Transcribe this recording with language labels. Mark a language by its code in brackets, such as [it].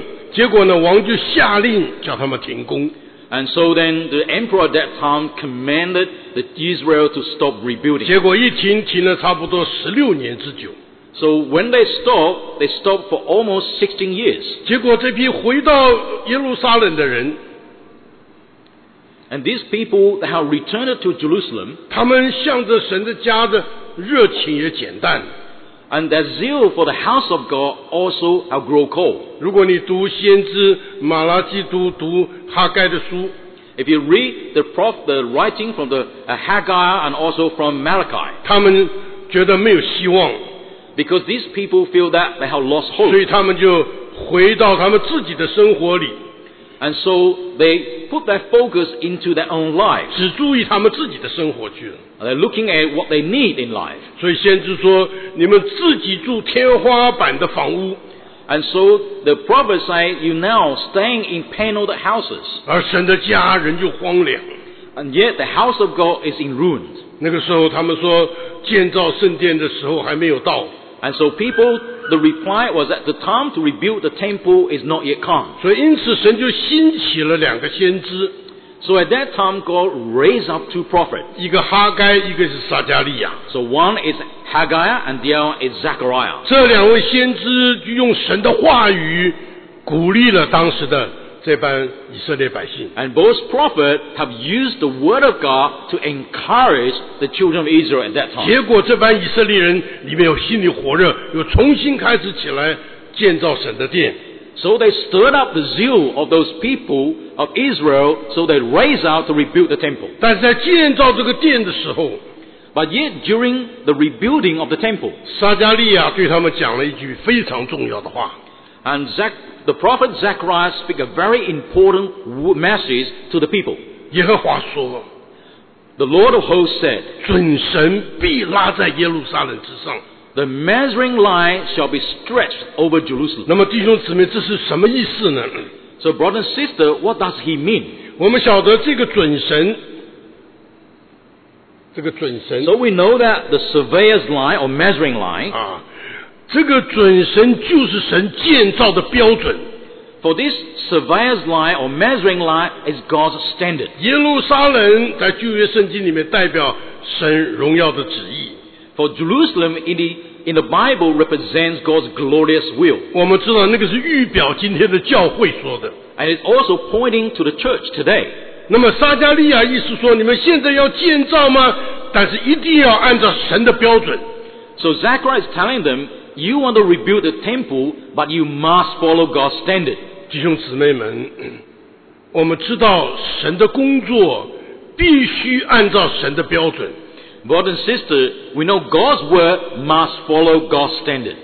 [zh] 结果呢，王就下令叫他们停工。 [en] And so then the emperor at that time commanded the Israel to stop rebuilding. [zh] 结果一停，停了差不多16年之久。 [en] So when they stopped for almost 16 years. [zh] 结果这批回到耶路撒冷的人 [en] ，And these people that have returned to Jerusalem， [zh] 他们向着神的家的热情也减淡。 [en] And that zeal for the house of God also have grown cold. [zh] 如果你读先知马拉基都读哈该的书 [en] ，If you read the prophet, the writing from the Haggai and also from Malachi, [zh] 他们觉得没有希望 [en] ，because these people feel that they have lost hope. [zh] 所以他们就回到他们自己的生活里 [en] ，and so they put their focus into their own life. [zh] 只注意他们自己的生活去了。 [en] They're looking at what they need in life. [zh] 所以先知说，你们自己住天花板的房屋。 [en] And so the prophet said, you now staying in paneled houses. [zh] 而神的家人就荒凉。 [en] And yet the house of God is in ruins. [zh] 那个时候他们说，建造圣殿的时候还没有到。 [en] And so people, the reply was that the time to rebuild the temple is not yet come. [zh] 所以因此神就兴起了两个先知。 [en] So at that time, God raised up two prophets. [zh] 一个哈该，一个是撒加利亚。 [en] So one is Haggai, and the other is Zechariah. [zh] 这两位先知用神的话语鼓励了当时的这帮以色列百姓。 [en] And both prophets have used the word of God to encourage the children of Israel at that time. [zh] 结果这帮以色列人里面有心里火热，又重新开始起来建造神的殿。 [en] So they stirred up the zeal of those people of Israel, so they raised out to rebuild the temple. [zh] 但是在建造这个殿的时候 [en] ，But yet during the rebuilding of the temple, [zh] 撒加利亚对他们讲了一句非常重要的话。 [en] And the prophet Zechariah speak a very important message to the people. [zh] 耶和华说 [en] ，The Lord of hosts said, [zh] 准绳必拉在耶路撒冷之上。 [en] The measuring line shall be stretched over Jerusalem. [zh] 那么弟兄姊妹，这是什么意思呢 [en] ？So brother and sister, what does he mean? [zh] 我们晓得这个准绳，这个准绳。 [en] So we know that the surveyor's line or measuring line. [zh] 啊，这个准绳就是神建造的标准。 [en] For this surveyor's line or measuring line is God's standard. [zh] 耶路撒冷在旧约圣经里面代表神荣耀的旨意。 [en] For Jerusalem in the Bible represents God's glorious will. [zh] 我们知道那个是预表今天的教会说的。 [en] And it's also pointing to the church today. [zh] 那么撒加利亚意思说，你们现在要建造吗？但是一定要按照神的标准。 [en] So Zechariah is telling them, you want to rebuild the temple, but you must follow God's standard. [zh] 弟兄姊妹们，我们知道神的工作必须按照神的标准。 [en] Brother and sister, we know God's word must follow God's standard.